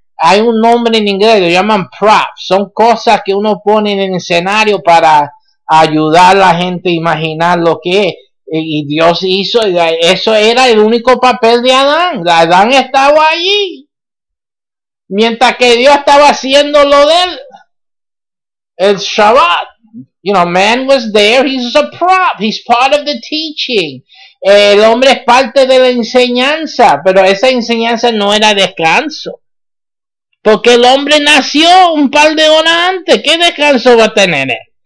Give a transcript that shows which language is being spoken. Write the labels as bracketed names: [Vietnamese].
[Spanish] Hay un nombre en inglés, lo llaman props. Son cosas que uno pone en el escenario para ayudar a la gente a imaginar lo que es. Y Dios hizo, eso era el único papel de Adán. Adán estaba allí. Mientras que Dios estaba haciendo lo de él. El Shabbat. [English] You know, man was there, he's a prop, he's part of the teaching. [Spanish] El hombre es parte de la enseñanza, pero esa enseñanza no era descanso. Porque el hombre nació un par de horas antes, ¿qué descanso va a tener él?